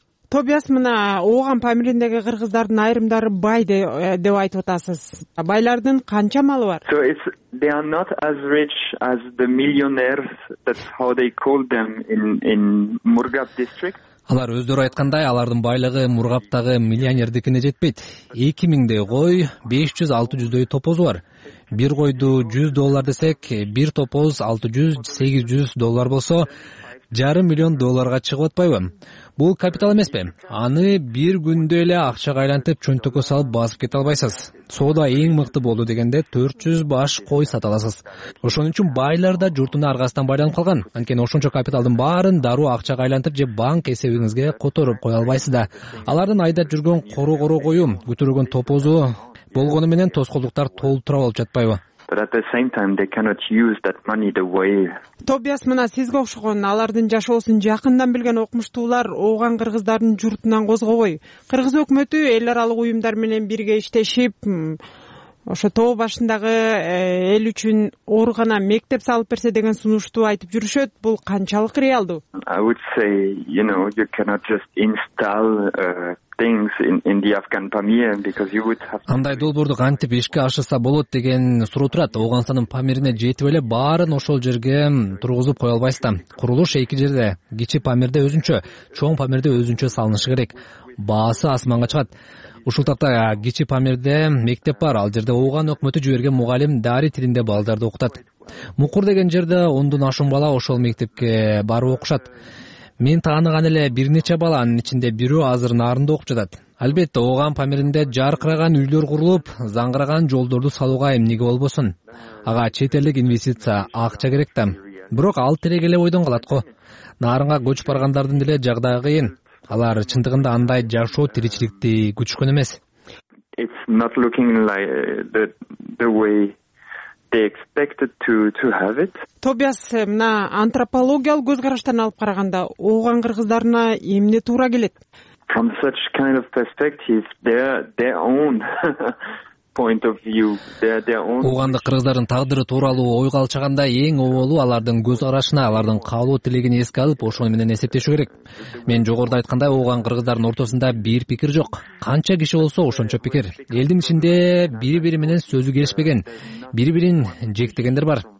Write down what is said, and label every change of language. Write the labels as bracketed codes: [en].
[ky] Тобиас, мына ооган памириндеги кыргыздардын айрымдары бай деп айтып атасыз. Байлардын канча малы бар? [en] They are not as rich as the millionaires, that's how they call them in Murghab district. [ky] Алар өздөрү айткандай, алардын байлыгы Мургаптагы миллионердикине жетпейт. 2000 кой, 500-600 топозу бар. Бир койду 100 доллар десек, бир топоз 600-800 доллар болсо, $500,000 чыгып атпайбы? Бул капитал эмеспи? Аны бир күндө эле акчага айлантып чөнтөккө салып басып кете албайсыз. Соода эң мыкты болду дегенде 400 баш кой сата аласыз. Ошон үчүн байлар да журтуна аргасынан байланып калган. Анткени ошончо капиталдын баарын дароо акчага айлантып же банк эсебиңизге которуп кое албайсыз да. Алардын айдап жүргөн коро-коро кою, күтүргөн топозу болгону менен тоскоолдуктар толтура алып жатпайбы? [en] But at the same time they cannot use that money the way [ky] Tobias мына сизге окшогон алардын жашоосун жакындан билген окумуштуулар ооган кыргыздардын журтунан козгобой. Кыргыз өкмөтү эл аралык уюмдар менен бирге иштешип ошо тоо башындагы эл үчүн ооругана мектеп салып берсе деген сунушту айтып жүрүшөт. Бул канчалык реалдуу? [en] I would say, you know, you cannot just install things in the Afghan Pamir because you would have [ky] андай долбоорду кантип ишке ашырса болот деген суроо турат. Ооганстандын Памирине жетип эле баарын ошол жерге тургузуп кое албайсыз да. Курулуш эки жерде, кичи Памирде өзүнчө, чоң Памирде өзүнчө салынышы керек. Баасы асманга чыгат. Ушул такта кичи Памирде мектеп бар, ал жерде ооган өкмөтү жиберген мугалим дары тилинде балдарды окутат. Мукур деген жерде 10 ашуун бала ошол мектепке барып окушат. Мен тааныган эле бир нече баланын ичинде бирөө азыр Нарында окуп жатат. Албетте, ооган Памиринде жаркыраган үйлөр курулуп, заңгыраган жолдорду салууга эмнеге болбосун. Ага чет элдик инвестиция, акча керек да. Бирок ал тирек эле ойдон калат го. Нарынга көчүп баргандардын деле жагдайы кыйын. Алар чындыгында андай жашоо тиричиликти күтүшкөн эмес. [en] It's not looking like the way they expected to have it. [ky] Тобиас, мына антропологиялык көз караштан алып караганда ооган кыргыздарына эмне туура келет? [en] From such kind of perspective, their own point of view, their own [ky] Уугандык кыргыздардын тагдыры тууралуу ой калчаганда эң оолу алардын көз карашына, алардын каалоо тилегин эске алып, ошол менен эсептешүү керек. Мен жогоруда айткандай, ооган кыргыздардын ортосунда бир пикир жок. Канча киши болсо, ошончо пикир. Элдин ичинде бири-бири менен сөзү келишпеген, бири-бирин жектегендер бар.